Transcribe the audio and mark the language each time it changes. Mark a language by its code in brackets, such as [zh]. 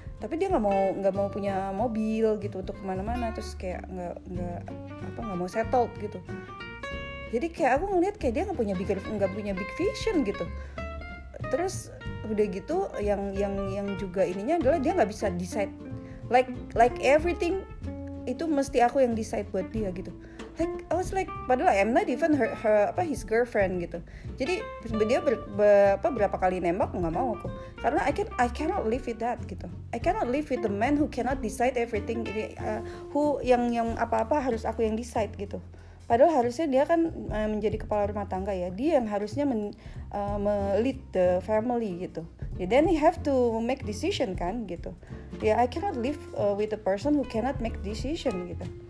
[id] Tapi dia nggak mau punya mobil gitu untuk kemana-mana, terus kayak nggak mau settled gitu. Jadi kayak aku ngeliat kayak dia nggak punya big vision gitu. Terus udah gitu yang juga ininya adalah dia nggak bisa decide [en] like everything [id] itu mesti aku yang decide buat dia gitu. [en] Like I was like, padahal I'm not even his girlfriend gitu. [id] Jadi dia berapa kali nembak nggak mau aku, karena [en] I cannot live with that [id] gitu. [en] I cannot live with the man who cannot decide everything, who [id] yang apa-apa harus aku yang decide gitu. Padahal harusnya dia kan menjadi kepala rumah tangga ya, dia yang harusnya melead the family gitu. [en] Yeah, then he have to make decision kan gitu. Yeah, I cannot live with a person who cannot make decision gitu.